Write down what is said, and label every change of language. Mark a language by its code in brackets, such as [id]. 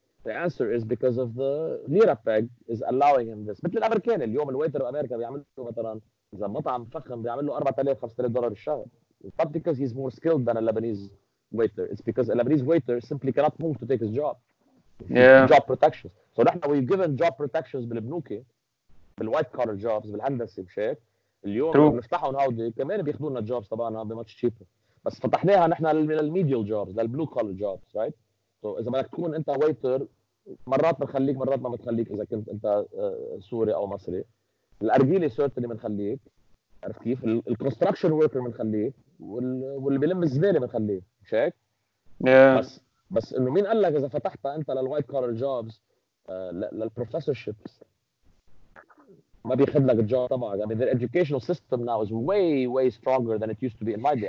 [en] The answer is because of the lira peg is allowing him this. [ar] مثل الأمريكاني اليوم الويتر بأمريكا بيعمل له مثلاً إذا مطعم فخم بيعمل له 4,000-5,000 دولار الشهر. [en] It's not because he's more skilled than a Lebanese waiter. It's because a Lebanese waiter simply cannot move to take his job. Yeah. Job protections. So [ar] نحن [en] we've given job protections [ar] بالبنوكي بال [en] white collar jobs [ar] بالهندسي بشيك اليوم بنفتحهم هاودي كمان بياخذوا لنا [en] jobs [ar] طبعاً بمتش [en] cheaper. [ar] بس فتحناها نحن [en] للميديال جوبز للبلو collar jobs right so [ar] اذا بدك تكون انت ويتر مرات بنخليك مرات ما بتخليك اذا كنت انت سوري او مصري الارجيله سورت اللي بنخليك عرفت كيف الكونستراكشن وركر بنخليه واللي بيلم الزباله بنخليه شيك بس انه مين قال لك اذا فتحتها انت [en] للوايت collar jobs للبروفيسورشيبس [ar] ما بيخد لك الجواب طبعا. [en] I mean, the educational system now is way, way stronger than it used to be in my day.